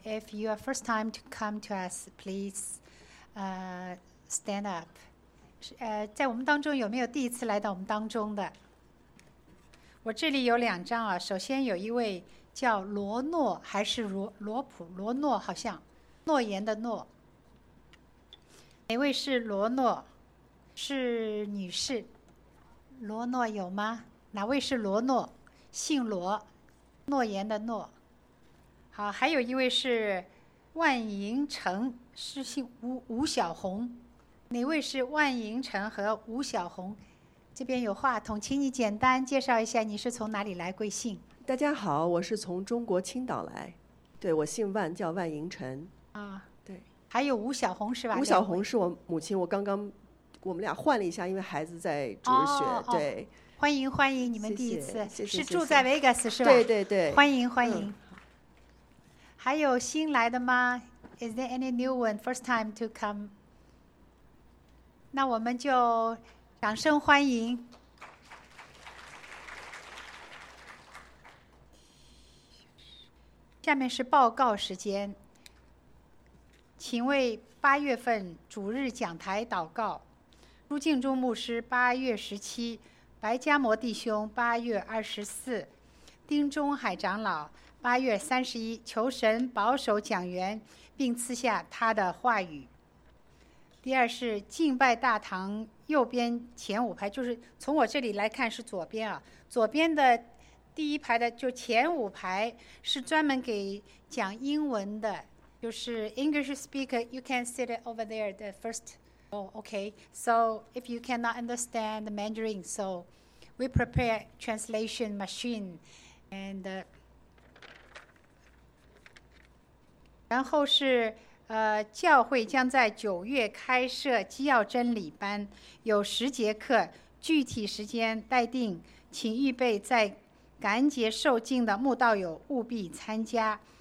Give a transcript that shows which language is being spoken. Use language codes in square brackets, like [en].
[en] If you are first time to come to us, please, stand up. [zh] 在我们当中有没有第一次来到我们当中的？我这里有两张啊。首先有一位叫罗诺，还是罗普？罗诺好像，诺言的诺。哪位是罗诺？是女士。罗诺有吗？哪位是罗诺？姓罗，诺言的诺。好，还有一位是万盈成，是姓 吴小红。哪位是万盈成和吴小红？这边有话筒，请你简单介绍一下你是从哪里来，贵姓。大家好，我是从中国青岛来。对，我姓万，叫万盈成。啊，对。还有吴小红是吧？吴小红是我母亲，我刚刚我们俩换了一下，因为孩子在主日学。哦，对。哦，欢迎欢迎，你们第一次。谢谢谢谢。是住在 Vegas 是吧？对对对。欢迎欢迎。还有新来的吗？ [en] Is there any new one first time to come? [zh] 那我们就掌声欢迎。下面是报告时间，请为八月份主日讲台祷告。朱敬忠牧师8月17，白嘉摩弟兄8月24，丁中海长老8月31，求神保守讲员并赐下他的话语。第二是敬拜大堂右边前五排，就是从我这里来看是左边啊，左边的第一排的就前五排是专门给讲英文的，就是 [en] English speaker, you can sit over there the first. Oh, okay. So if you cannot understand the Mandarin, so we prepare translation machine and. [zh] 然后是教会将在9月开设基要真理班，有10节课，具体时间待定，请预备在感恩节受浸的慕道友务必参加。